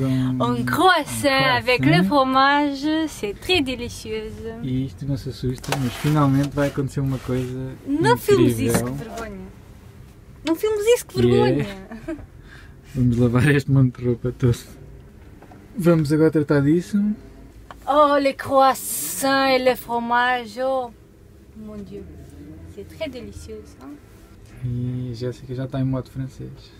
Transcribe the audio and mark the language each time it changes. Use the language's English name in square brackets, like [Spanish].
[French] um croissant avec le fromage, c'est très délicieux. [Portuguese] E isto não se assusta, mas finalmente vai acontecer uma coisa não Não filmes isso, que vergonha! Não filmes isso, que vergonha! Vamos lavar este monte de roupa todo. Vamos agora tratar disso. [French] Oh, le croissant et le fromage, oh! Mon Dieu, c'est très délicieux, hein? [Portuguese] E a Jéssica já está em modo francês.